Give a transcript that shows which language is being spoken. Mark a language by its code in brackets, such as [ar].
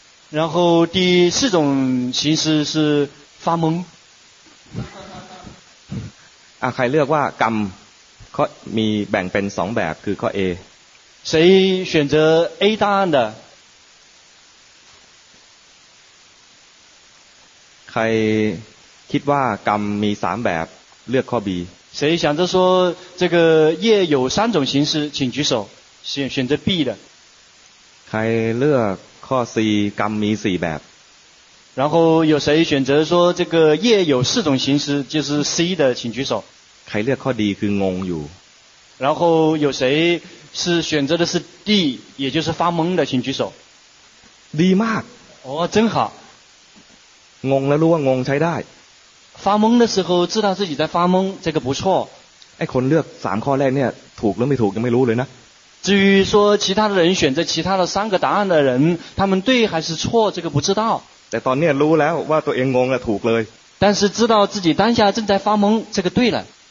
[zh] 然后第四种形式是发懵 [th] ใครเลือกว่ากรรมข้อมีแบ่งเป็นสองแบบคือข้อ A [zh] 谁选择 A 答案的 [th] ใครคิดว่ากรรมมี3แบบเลือกข้อ B [zh] 谁想着说这个业有三种形式请举手选择 B 的 [th] ใครเลือกข้อ C กรรมมี4แบบ [zh] 然后有谁选择说这个业有四种形式就是 C 的请举手 [th] ใครเลือกข้อ D คืองงอยู่ [zh] 然后有谁是选择的是 D 也就是发懵的请举手 [th] ดีมาก [zh] 哦真好 [th] งงแล้วรู้ว่างงใช้ได้ [zh] 发懵的时候知道自己在发懵这个不错 [th] ไอ้คนเลือก3ข้อแรกเนี่ยถูกหรือไม่ถูกยังไม่รู้เลยนะ [zh] 至于说其他的人选择其他的三个答案的人他们对还是错这个不知道 [th] แต่ตอนนี้รู้แล้วว่าตัวเองงงแล้วถูกเลย [zh] 但是知道自己当下正在发懵这个对了